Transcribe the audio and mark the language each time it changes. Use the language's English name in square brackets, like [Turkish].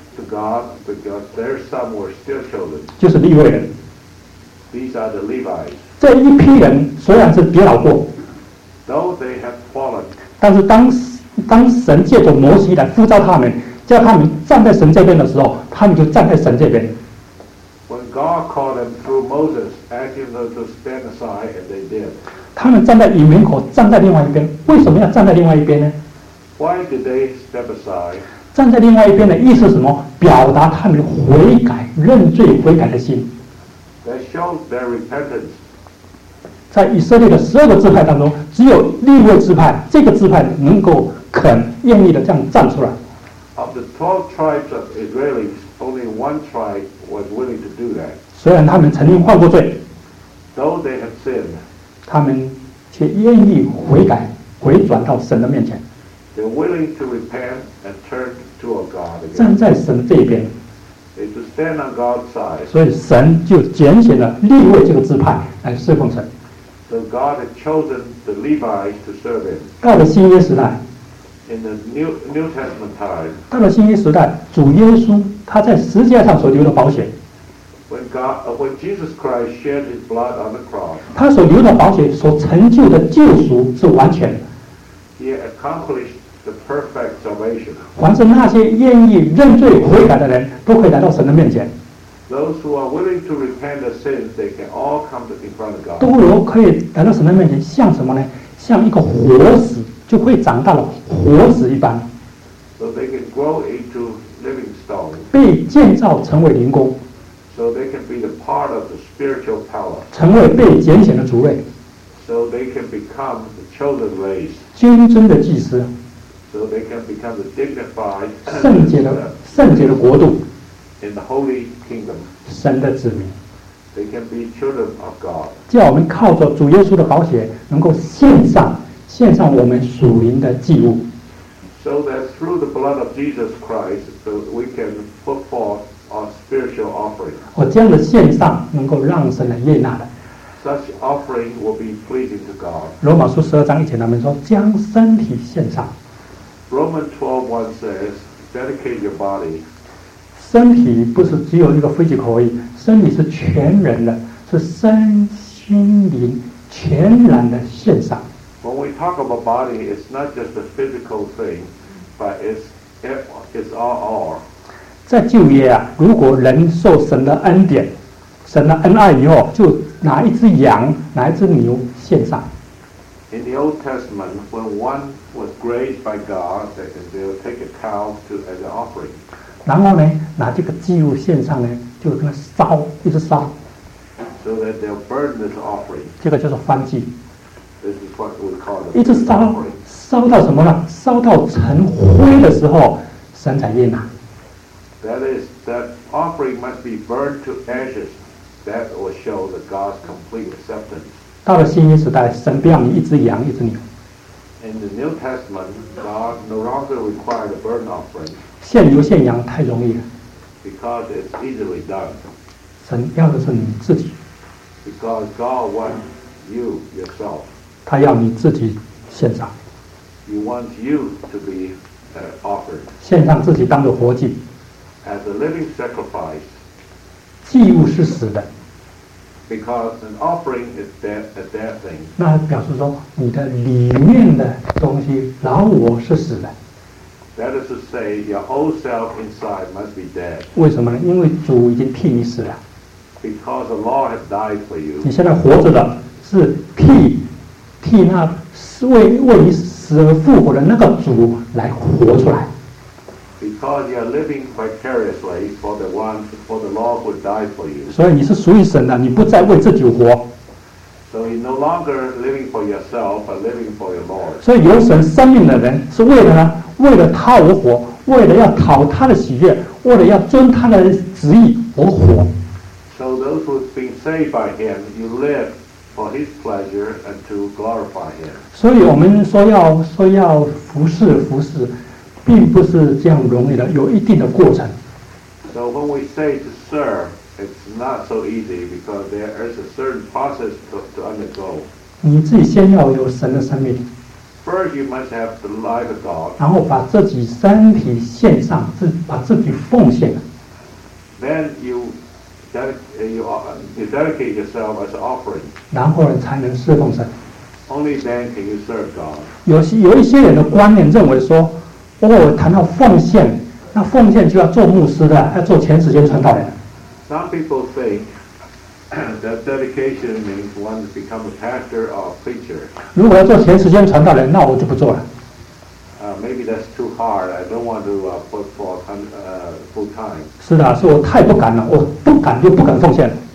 [English] God, because their son were still chosen. [Chinese] 就是利未人。 [English] These are the Levites. [Chinese] 这一批人虽然是跌倒过 [English] ，though they have fallen. [Chinese] 但是当神借着摩西来呼召他们，叫他们站在神这边的时候，他们就站在神这边。 [English] When God called them through Moses, asking them to stand aside, and they did. [Chinese] 他们站在营门口，站在另外一边。为什么要站在另外一边呢 [English] ？Why did they step aside? [Chinese] 站在另外一边的意思是什么？表达他们悔改、认罪、悔改的心。 [English] That shows their repentance. [Chinese] 在以色列的十二个支派当中，只有利未支派这个支派能够肯、愿意的这样站出来。 [English] Of the 12 tribes of Israelis, only one tribe was willing to do that. [Chinese] 虽然他们曾经犯过罪 [English] ，though they have sinned, [Chinese] 他们却愿意悔改、回转到神的面前。 [English] They're willing to repent and turn to a God again. [Chinese] 站在神这边。 [English] They to stand on God's side. [Chinese] 所以神就拣选了利未这个支派来侍奉神。 [English] So God had chosen the Levites to serve him. [Chinese] 到了新约时代 [English] In the New Testament time. [Chinese] 到了新约时代，主耶稣他在十字架上所流的宝血。 [English] When Jesus Christ shed his blood on the cross. [Chinese] 他所流的宝血所成就的救赎是完全的。 [English] He accomplished the perfect salvation. [Chinese] 凡是那些愿意认罪悔改的人，都可以来到神的面前。 [English] Those who are willing to repent of sins, they can all come to in front of God. [Chinese] 都有可以来到神的面前，像什么呢？像一个活死就会长大的活死一般。 [English] So they can grow into living stones. [Chinese] 被建造成为灵宫。 [English] So they can be the part of the spiritual power. [Chinese] 成为被拣选的族类。 [English] So they can become the chosen race. [Chinese] 君尊的祭司。 [English] So they can become the dignified. [Chinese] 圣洁的国度。 [English] In the holy kingdom, [Chinese] 神的子民 [English] they can be children of God. [Chinese] 叫我们靠着主耶稣的宝血，能够献上我们属灵的祭物。 [English] So that through the blood of Jesus Christ, we can put forth our spiritual offering. [Chinese] 我这样的献上能够让神来悦纳的。 [English] Such offering will be pleasing to God. [Chinese] 罗马书十二章以前他们说将身体献上。 [English] Romans 12:1 says, dedicate your body. [Chinese] 身体不是只有一个 physical 而已，身体是全人的，是身心灵全然的献上。 [English] When we talk about body, it's not just a physical thing, but it's all. [Chinese] 在旧约啊，如果人受神的恩典、神的恩爱以后，就拿一只羊、拿一只牛献上。 [English] In the Old Testament, when one was graced by God, they would take a cow to as an offering. [Chinese] 然后呢，拿这个祭物献上呢，就跟他烧，一直烧。 [English] So that they'll burn this offering. [Chinese] 这个叫做燔祭。 [English] This is what we call it. [Chinese] 一直烧，烧到什么呢？烧到成灰的时候，神才悦纳。 [English] That is that offering must be burned to ashes. That will show the God's complete acceptance. [Chinese] 到了新约时代，神不要你一只羊，一只牛。 [English] In the New Testament, God no longer requires a burnt offering. [Chinese] 献牛献羊太容易了 [English] ，because it's easily done. [Chinese] 神要的是你自己 [English] ，because God wants you yourself. [Chinese] 他要你自己献上 [English] ，he wants you to be offered. [Chinese] 献上自己当做活祭 [English] ，as a living sacrifice. [Chinese] 祭物是死的 [English] ，because an offering is a dead thing. [Chinese] 那表示说你的里面的东西，老我是死的。 [English] That is to say, your old self inside must be dead. [Chinese] 为什么呢？因为主已经替你死了。 [English] Because the law has died for you. [Chinese] 你现在活着的是替那为你死而复活的那个主来活出来。 [English] Because you are living vicariously for the law who died for you. [Chinese] 所以你是属于神的，你不再为自己活。 [English] So you're no longer living for yourself, but living for your Lord. [Chinese] 所以有神生命的人是为了呢？为了他而活，为了要讨他的喜悦，为了要遵他的旨意而活。 [English] So those who have been saved by him, you live for his pleasure and to glorify him. [Chinese] 所以我们说要服侍，并不是这样容易的，有一定的过程。 [English] So when we say to serve, it's not so easy because there is a certain process to undergo. [Chinese] 你自己先要有神的生命。 [English] First, you must have the life of God. [Chinese] 然后把自己身体献上，把自己奉献。 [English] Then you dedicate yourself as an offering. [Chinese] 然后人才能侍奉神。 [English] Only then can you serve God. [Chinese] 有一些人的观念认为说，谈到奉献，那奉献就要做牧师的，要做全时间传道人。 [English] Some people think. That dedication means one to become a pastor or a preacher. [Chinese] 如果要做全时间传道人，那我就不做了。 [English] Maybe that's too hard. I don't want to put for full time. [Chinese] 是的，是我太不敢了，我不敢就不敢奉献了。